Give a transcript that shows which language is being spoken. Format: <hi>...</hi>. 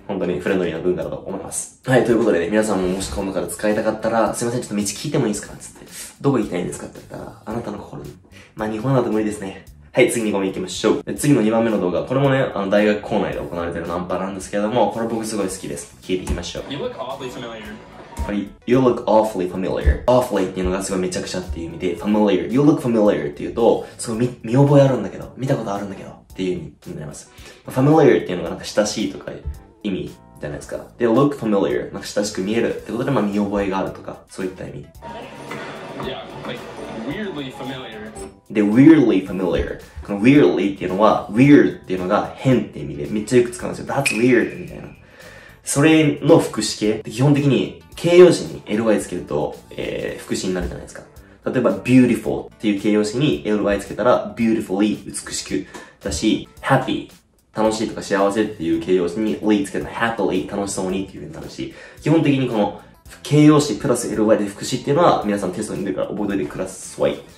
<ja>本当にフレンドリーな文化だと思います。はい、ということでね、皆さんももし今度から使いたかったら、すいません、ちょっと道聞いてもいいですかつって。どこ行きたいんですかって言ったら、あなたの心に。まあ、日本だと無理ですね。はい、次にごめん行きましょう。で、次の2番目の動画、これもね、大学校内で行われてるナンパなんですけども、これ僕すごい好きです。聞いていきましょう。</ja> <en>You look awfully familiar. You look awfully familiar.</en> <ja>Awfully っていうのがすごいめちゃくちゃっていう意味で、familiar.</ja> <en>You look familiar</en> <ja>っていうと、すごい見覚えあるんだけど、見たことあるんだけど。ていう意味になります。 familiar っていうのがなんか親しいとか意味じゃないですか。で、look familiar、なんか親しく見えるってことで、まあ見覚えがあるとか、そういった意味。</ja> <en>Yeah, like, weirdly familiar.</en> <ja>で、weirdly familiar。この weirdly っていうのは、weird っていうのが変って意味で、めっちゃよく使うんですよ。</ja> <en>That's weird</en> <ja>みたいな。それの副詞形で基本的に形容詞に ly つけると、副詞になるじゃないですか。例えば beautiful っていう形容詞に ly つけたら beautifully 美しくだし happy 楽しいとか幸せっていう形容詞に ly つけたら happily 楽しそうにっていう風になるし、基本的にこの形容詞プラス ly で副詞っていうのは皆さんテストに出るから覚えておいてください。</ja>